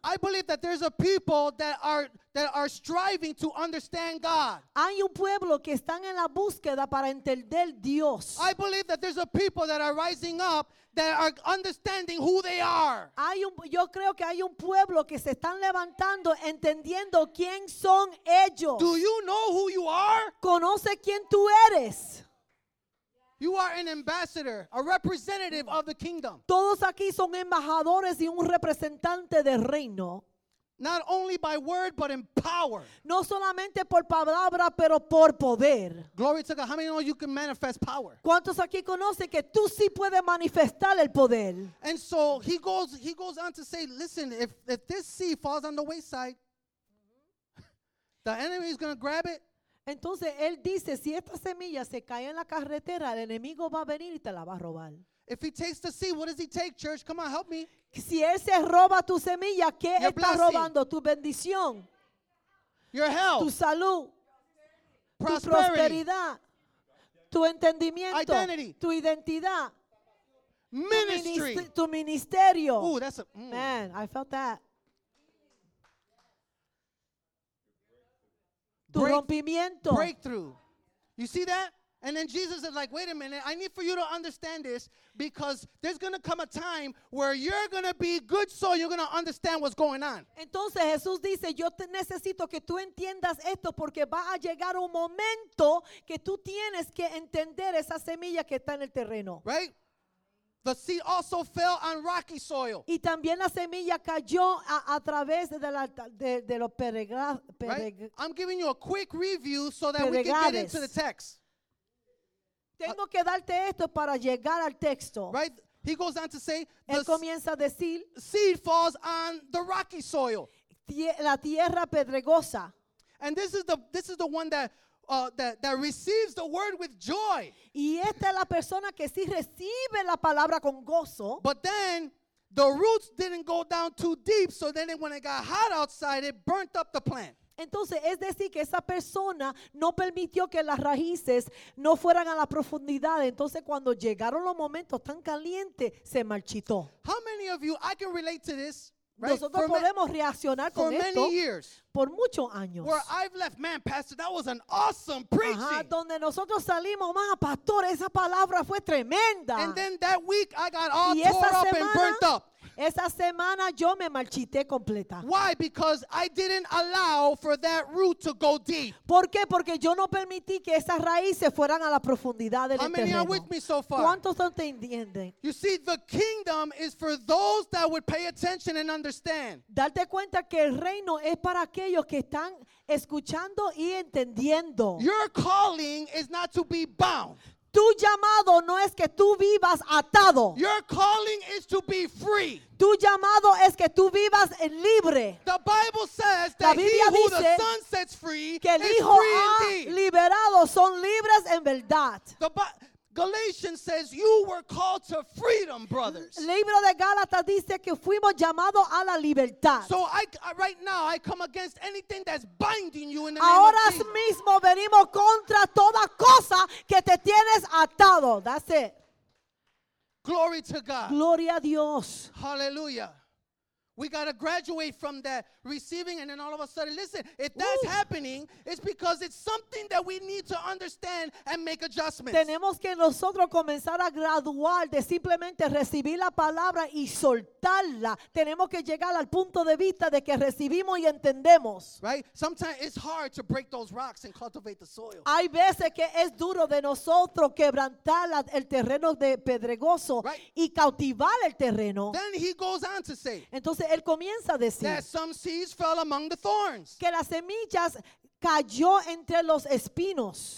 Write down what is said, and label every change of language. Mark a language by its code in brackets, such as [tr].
[en] I believe that there's a people that are striving to understand God. [es] Hay un pueblo que están en la búsqueda para entender Dios. [en] I believe that there's a people that are rising up that are understanding who they are. [es] Yo creo que hay un pueblo que se están levantando entendiendo quién son ellos. [en] Do you know who you are? [es] ¿Conoce quién tú eres? [en] You are an ambassador, a representative of the kingdom. [es] Todos aquí son embajadores y un representante del reino. [en] Not only by word, but in power. [es] No solamente por palabra, pero por poder. [en] Glory to God. How many know you can manifest power? [es] ¿Cuántos aquí conocen que tú sí puedes manifestar el poder? [en] And so he goes on to say, listen, if this seed falls on the wayside, the enemy is going to grab it. [es] Entonces él dice, si esta semilla se cae en la carretera, el enemigo va a venir y te la va a robar. [en] If he takes the seed, what does he take, church? Come on, help me. [es] Si él se roba tu semilla, ¿qué está robando? Tu bendición. [en] Your health. [es] Tu salud. [en] Prosperity. [es] Tu prosperidad. Tu entendimiento. [en] Identity. [es] Tu identidad. [en] Ministry. [es] Tu ministerio. [en] Ooh, that's a, Man, I felt that. [es] Tu rompimiento. [en] Breakthrough. You see that? And then Jesus is like, wait a minute, I need for you to understand this because there's going to come a time where you're going to be good soil, you're going to understand what's going on. [es] Entonces Jesús dice, yo te necesito que tú entiendas esto porque va a llegar un momento que tú tienes que entender esa semilla que está en el terreno. [en] Right? The seed also fell on rocky soil. [es] Y también la semilla cayó a través de la de los peregrinos. [en] I'm giving you a quick review so that we can get into the text. [es] Tengo que darte esto para llegar al texto. [en] Right? He goes on to say, [es] él comienza a decir, [en] seed falls on the rocky soil. [es] La tierra pedregosa. [en] And this is the one that receives the word with joy. [es] Y esta es la persona que sí recibe la palabra con gozo. [en] But then the roots didn't go down too deep, so then when it got hot outside, it burnt up the plant. [es] Entonces, es decir, que esa persona no permitió que las raíces no fueran a la profundidad. Entonces, cuando llegaron los momentos tan calientes, se marchitó. [en] How many of you, I can relate to this, right? [es] Nosotros podemos reaccionar con esto [en] many years, [es] por muchos años. [en] Where I've left, man, pastor, that was an awesome preaching. [es] Ajá, donde nosotros salimos, más pastor, esa palabra fue tremenda. [en] And then that week, I got all tore [es] semana, [en] up and burnt up. [es] Esa semana yo me marchité completa. [en] Why? Because I didn't allow for that root to go deep. [es] ¿Por qué? Porque yo no permití que esas raíces fueran a la profundidad del terreno. [en] How many are with me so far? [es] ¿Cuántos no te entienden? [en] You see, the kingdom is for those that would pay attention and understand. [es] Darte cuenta que el reino es para aquellos que están escuchando y entendiendo. [en] Your calling is not to be bound. [es] Tu llamado no es que tú vivas atado. [en] Your calling is to be free. [es] Tu llamado es que tú vivas libre. [en] The Bible says that he who the Son sets free [es] que el Hijo ha liberado son libres en verdad. [en] Galatians says you were called to freedom, brothers. [es] Libro de Gálatas dice que fuimos llamados a la libertad. [en] So right now I come against anything that's binding you in the name of Jesus. [es] Ahora mismo venimos contra toda cosa que te tienes atado. [en] That's it. Glory to God. [es] Gloria a Dios. [en] Hallelujah. We got to graduate from that receiving and then all of a sudden, listen, if that's Ooh. Happening, it's because it's something that we need to understand and make adjustments. [es] Tenemos que nosotros comenzar a graduar de simplemente recibir la palabra y soltarla. Tenemos que llegar al punto de vista de que recibimos y entendemos. [en] Right? Sometimes it's hard to break those rocks and cultivate the soil. [es] Hay veces que es duro de nosotros quebrantar el terreno de pedregoso [en] right. [es] y cautivar el terreno. [en] Then he goes on to say, [es] entonces él comienza a decir [en] that some seeds fell among the thorns. [es] Que las semillas cayó entre los espinos.